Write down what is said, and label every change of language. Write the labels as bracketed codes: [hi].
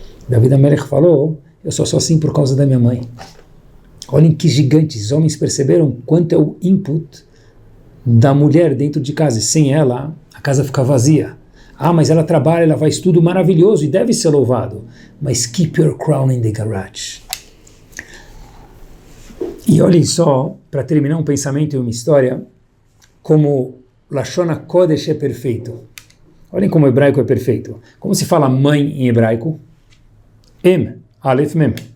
[pt] David HaMelech falou, eu sou só assim por causa da minha mãe. Olhem que gigantes, homens perceberam quanto é o input da mulher dentro de casa. Sem ela, a casa fica vazia. Ah, mas ela trabalha, ela faz tudo maravilhoso e deve ser louvado. [en] Mas keep your crown in the garage. [pt] E olhem só, para terminar um pensamento e uma história, como Lashon HaKodesh é perfeito. Olhem como o hebraico é perfeito. Como se fala mãe em hebraico? Em, Aleph Mem.